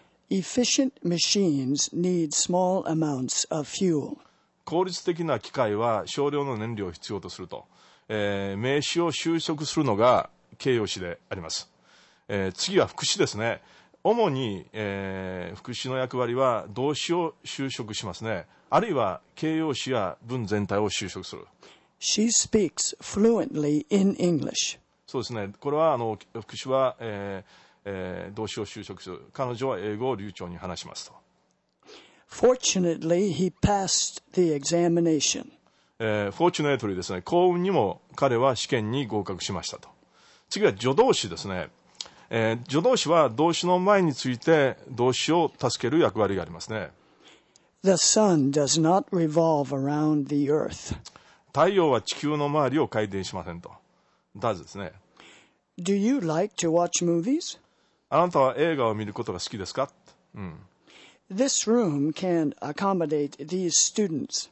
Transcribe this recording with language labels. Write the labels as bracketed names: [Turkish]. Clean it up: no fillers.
[English] Efficient machines need small amounts of fuel. [Japanese] 効率的な機械は少量の燃料を必要とすると、名詞を修飾するのが形容詞であります。次は副詞ですね。主に、副詞の役割は動詞を修飾しますね。あるいは形容詞や文全体を修飾する。 [English] She speaks fluently in English. [Japanese] そうですね。これは副詞は、動詞を修飾する、彼女は英語を流暢に話しますと。 [English] Fortunately, he passed the examination. [Japanese] Fortunately ですね、幸運にも彼は試験に合格しましたと。次は助動詞ですね。助動詞は動詞の前について動詞を助ける役割がありますね。 [English] The sun does not revolve around the earth. [Japanese] 太陽は地球の周りを回転しませんと。 does ですね。 [English] Do you like to watch movies? [Japanese] あなたは映画を見ることが好きですか。 [English] This room can accommodate these students.